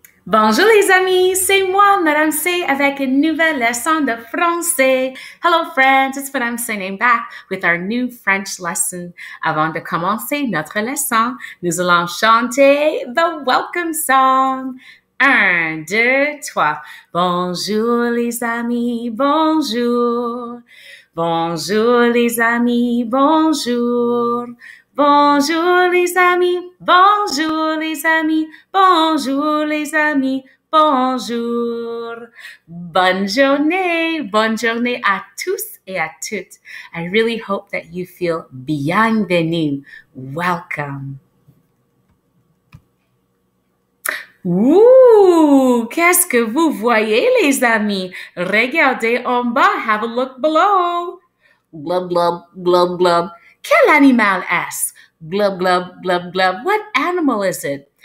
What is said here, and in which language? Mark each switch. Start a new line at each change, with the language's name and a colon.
French: Bonjour les amis, c'est moi, Madame C, avec une nouvelle leçon de français.
English: Hello friends, it's Madame C, and I'm back with our new French lesson.
French: Avant de commencer notre leçon, nous allons chanter
English: the welcome song.
French: Un, deux, trois. Bonjour les amis, bonjour. Bonjour les amis, bonjour. Bonjour les amis, bonjour les amis, bonjour les amis, bonjour. Bonne journée à tous et à toutes.
English: I really hope that you feel
French: bienvenue,
English: welcome.
French: Ouh, qu'est-ce que vous voyez les amis? Regardez en bas,
English: have a look below. Blub, blub, blub, blub.
French: Quel animal est-ce? Blub, blub, blub, blub.
English: What animal is it?